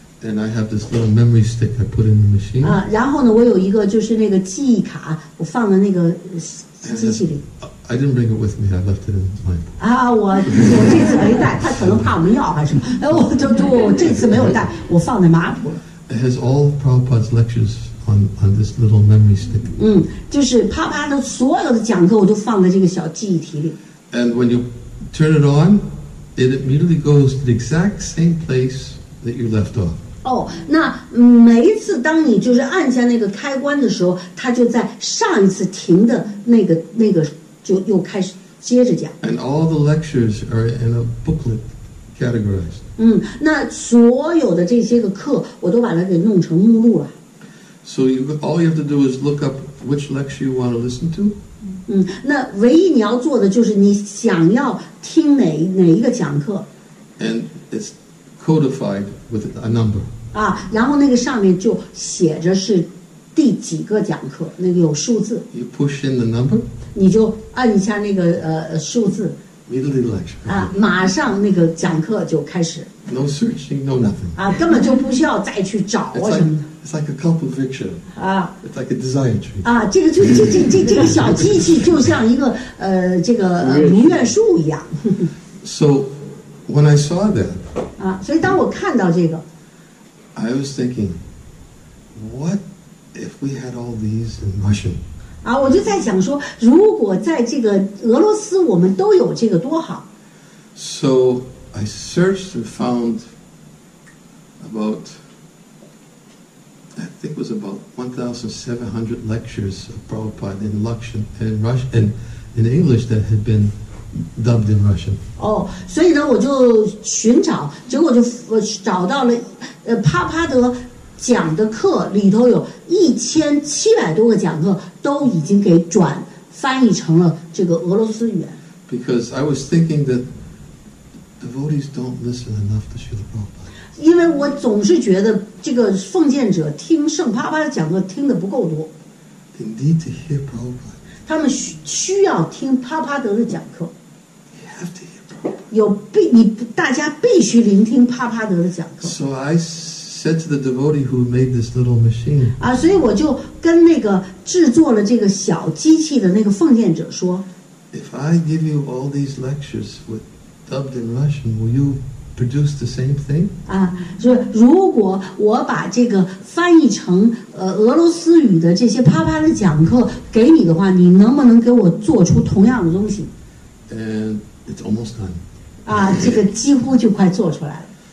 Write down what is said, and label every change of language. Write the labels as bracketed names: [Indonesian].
[English] And I have this little memory stick I put in the machine. [Chinese] 啊，然后呢，我有一个就是那个记忆卡，我放在那个机器里。 [English] I didn't bring it with me. I left it in my. [Chinese] 啊，我这次没带，他可能怕我们要还是什么？哎，我这次没有带，我放在马普。 [English] It has all Prabhupada's lectures on this little memory stick. [Chinese] 嗯，就是啪啪的所有的讲课，我都放在这个小记忆体里。 [English] And when you turn it on, it immediately goes to the exact same place that you left off. [Chinese] 哦，那每一次当你就是按下那个开关的时候，它就在上一次停的那个。就又开始接着讲。 [English] And all the lectures are in a booklet categorized. [Chinese] 嗯，那所有的这些个课，我都把它给弄成目录了。 [English] So all you have to do is look up which lecture you want to listen to. [Chinese] 嗯，那唯一你要做的就是你想要听哪一个讲课。 [English] And it's codified with a number. [Chinese] 啊，然后那个上面就写着是第几个讲课，那个有数字。 [English] You push in the number. [Chinese] 你就按一下那个数字 [English] Middle lecture [Chinese] 啊，马上那个讲课就开始。 [English] No searching, no nothing. [Chinese] 啊，根本就不需要再去找啊什么的。 [English] It's like a couple picture. 啊，It's like a desire tree. [Chinese] 啊，这个就这个小机器就像一个这个如愿树一样。 [English] So when I saw that, [Chinese] 啊，所以当我看到这个 [English] ，I was thinking, what if we had all these in Russian? [Chinese] 啊，我就在想说，如果在这个俄罗斯，我们都有这个多好。 [English] So I searched and found about, I think it was about 1,700 lectures of Prabhupada in Russian and in English that had been dubbed in Russian. [Chinese] 哦，所以呢，我就寻找，结果我找到了，帕帕德。讲的课里头有1700多个讲课都已经给转翻译成了这个俄罗斯语言。 [English] Because I was thinking that devotees don't listen enough to Srila Prabhupada. [Chinese] 因为我总是觉得这个奉献者听圣帕帕的讲课听得不够多。 [English] They need to hear Prabhupada. [Chinese] 他们需要听帕帕德的讲课。 [English] You have to hear Prabhupada. [Chinese] 大家必须聆听帕帕德的讲课。 [English] So I. Said to the devotee who made this little machine. [Chinese] 啊，所以我就跟那个制作了这个小机器的那个奉献者说 [English] ，If I give you all these lectures with dubbed in Russian, will you produce the same thing? [Chinese] 啊，就如果我把这个翻译成俄罗斯语的这些啪啪的讲课给你的话，你能不能给我做出同样的东西 [English] ？And it's almost done. [Chinese] 啊，这个几乎就快做出来了。